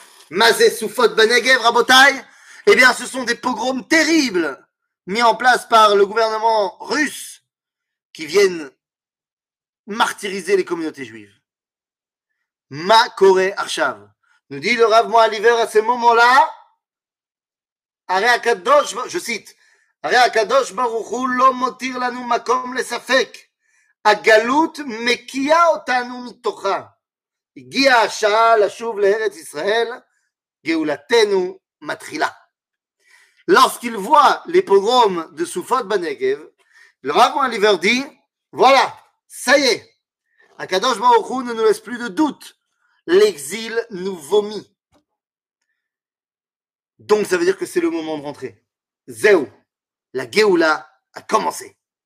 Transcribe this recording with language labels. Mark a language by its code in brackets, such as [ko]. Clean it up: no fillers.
[he] Mazé Soufot Banegev, [fr] Rabotai, eh bien, ce sont des pogroms terribles mis en place par le gouvernement russe qui viennent martyriser les communautés juives. [he] Ma Koré Arshav. [fr] Nous dit le Rav Mohaliver à ce moment-là, je cite, [he] הרי הקדוש ברוך הוא לא מותיר לנו מקום לספק. הגלות מקיאה אותנו מתוכה. הגיעה השעה לשוב לארץ ישראל, גאולתנו מתחילה. [fr] Lorsqu'il voit les pogroms de Soufot Banegev, le Rav Mohaliver dit, voilà, ça y est, הקדוש ברוך הוא ne nous laisse plus de doute. L'exil nous vomit. Donc ça veut dire que c'est le moment de rentrer. Zéou. La Géoula a commencé.